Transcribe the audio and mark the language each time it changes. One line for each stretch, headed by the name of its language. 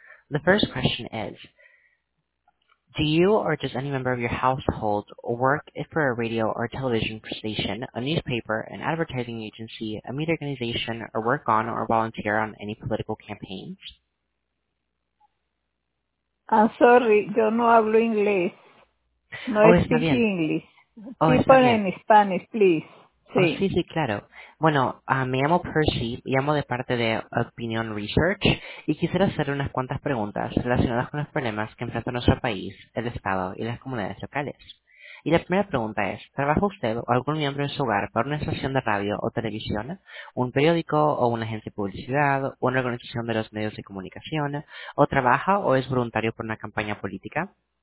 English: The first question is, do you or does any member of your household work for a radio or television station, a newspaper, an advertising agency, a media organization, or work on or volunteer on any political campaigns?
Spanish: I'm sorry,
English: yo no hablo inglés. No speak English. People in Spanish, please.
Spanish: Sí, sí, claro. Bueno, me llamo Percy, llamo de parte de Opinion Research y quisiera hacer unas cuantas preguntas relacionadas con los problemas que enfrenta nuestro país, el Estado y las comunidades locales. Y la primera pregunta es, ¿trabaja usted o algún miembro en su hogar para una estación de radio o televisión, un periódico o una agencia de publicidad o una organización de los medios de comunicación, o trabaja o es voluntario por una campaña política?